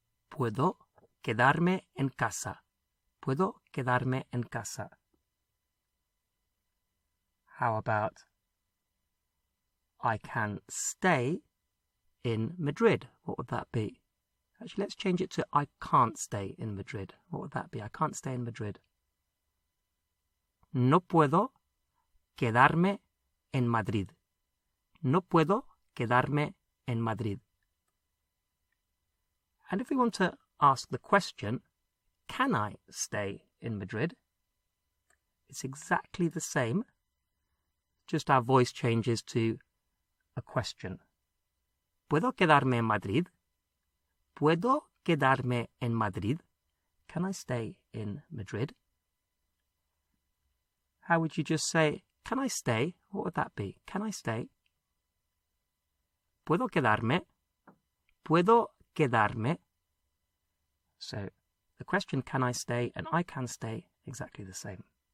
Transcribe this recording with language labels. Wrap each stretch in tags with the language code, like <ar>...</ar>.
<es>Puedo quedarme en casa. Puedo quedarme en casa.</es> <en>How about I can stay in Madrid? What would that be? Actually, let's change it to I can't stay in Madrid. What would that be? I can't stay in Madrid.</en> <es>No puedo quedarme en Madrid. No puedo quedarme en Madrid.</es> <en>And if we want to ask the question, can I stay in Madrid? It's exactly the same, just our voice changes to a question.</en> <es>¿Puedo quedarme en Madrid? ¿Puedo quedarme en Madrid?</es> <en>Can I stay in Madrid? How would you just say, can I stay? What would that be? Can I stay?</en> <es>¿Puedo quedarme? ¿Puedo quedarme?</es> <en>So, the question, can I stay, and I can stay, exactly the same.</en>